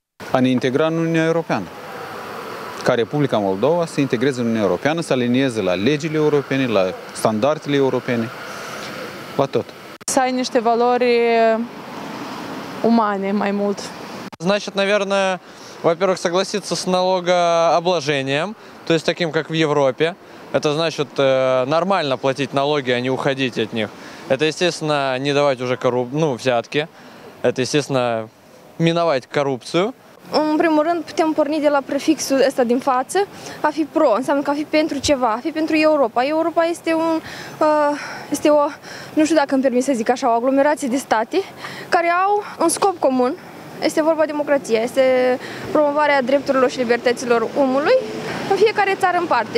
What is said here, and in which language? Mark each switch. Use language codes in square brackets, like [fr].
[ro] A ne integra în Uniunea Europeană. Ca Republica Moldova să se integreze în Uniunea Europeană, să alinieze la legile europene, la standardele europene, la tot. Să ai niște valori umane mai mult. [ru] Значит, наверное, во-первых, согласиться с налогообложением, то есть таким, как в Европе. Это значит нормально платить налоги, а не уходить от них. Это, естественно, не давать уже взятки. Это, естественно, миновать корупцию. [ro] În primul rând, putem porni de la prefixul ăsta din față. A fi pro înseamnă că a fi pentru ceva, a fi pentru Europa. Europa este o, nu știu dacă îmi permis să zic așa, o aglomerație de state care au un scop comun. Este vorba de democrație, este promovarea drepturilor și libertăților omului în fiecare țară în parte.